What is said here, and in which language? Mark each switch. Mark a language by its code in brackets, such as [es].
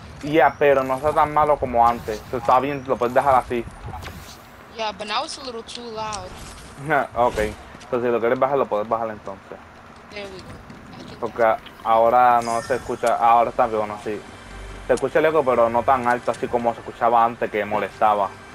[es] Yeah, pero no está tan malo como antes. So está bien, lo puedes dejar así. [en] Yeah, but now it's a little too loud. Okay. [es] Entonces, si lo quieres bajar, lo puedes bajar entonces. [en] There we go. [es] Porque ahora no se escucha, ahora está bien, así. Se escucha el eco, pero no tan alto, así como se escuchaba antes, que molestaba.